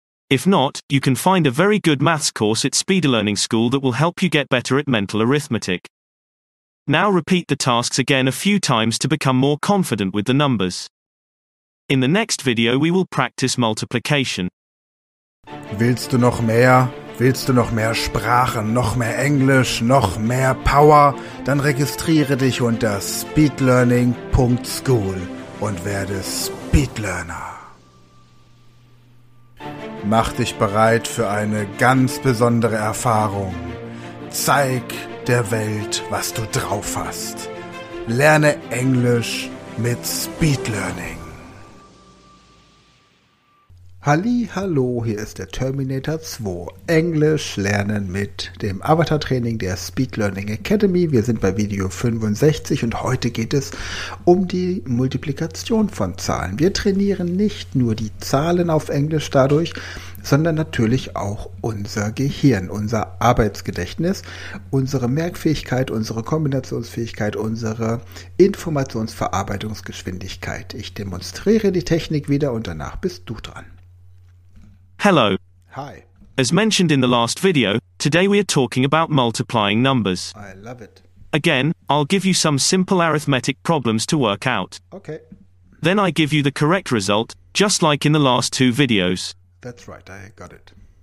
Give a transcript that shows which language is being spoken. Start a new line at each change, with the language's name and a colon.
English: If not, you can find a very good maths course at Speedy Learning School that will help you get better at mental arithmetic. Now repeat the tasks again a few times to become more confident with the numbers. In the next video we will practice multiplication.
German: Willst du noch mehr? Willst du noch mehr Sprachen, noch mehr Englisch, noch mehr Power? Dann registriere dich unter speedlearning.school und werde Speedlearner. Mach dich bereit für eine ganz besondere Erfahrung. Zeig der Welt, was du drauf hast. Lerne Englisch mit Speedlearning. Hallihallo, hier ist der Terminator 2. Englisch lernen mit dem Avatar-Training der Speed Learning Academy. Wir sind bei Video 65 und heute geht es um die Multiplikation von Zahlen. Wir trainieren nicht nur die Zahlen auf Englisch dadurch, sondern natürlich auch unser Gehirn, unser Arbeitsgedächtnis, unsere Merkfähigkeit, unsere Kombinationsfähigkeit, unsere Informationsverarbeitungsgeschwindigkeit. Ich demonstriere die Technik wieder und danach bist du dran.
English: Hello. Hi. As mentioned in the last video, today we are talking about multiplying numbers. I love it. Again, I'll give you some simple arithmetic problems to work out. Okay. Then I give you the correct result, just like in the last two videos. That's right, I got it.